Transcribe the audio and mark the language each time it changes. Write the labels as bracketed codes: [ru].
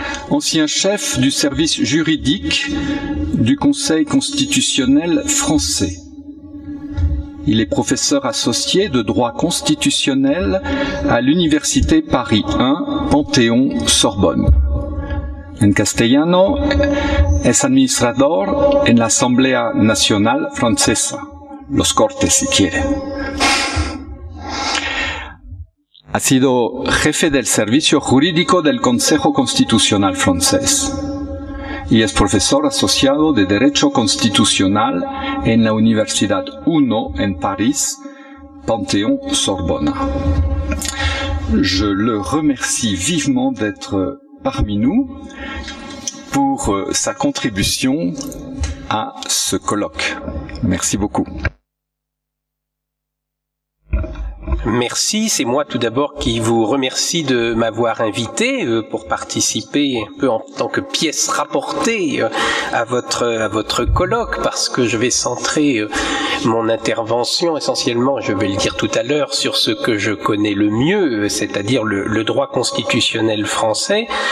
[fr] Ancien chef du service juridique du Conseil constitutionnel français. Il est professeur associé de droit constitutionnel à l'Université Paris 1, Panthéon-Sorbonne. [es] En castellano, es administrador en la Asamblea Nacional Francesa. Los Cortes, si quiere. Ha sido jefe del servicio jurídico del Consejo Constitucional francés y es profesor asociado de Derecho Constitucional en la Universidad 1 en París, Panthéon Sorbonne. [fr] Je le remercie vivement d'être parmi nous pour sa contribution à ce colloque. Merci beaucoup. Merci, c'est moi tout d'abord qui vous remercie de m'avoir invité pour participer un peu en tant que pièce rapportée à votre colloque, parce que je vais centrer mon intervention essentiellement, je vais le dire tout à l'heure, sur ce que je connais le mieux, c'est-à-dire le droit constitutionnel français.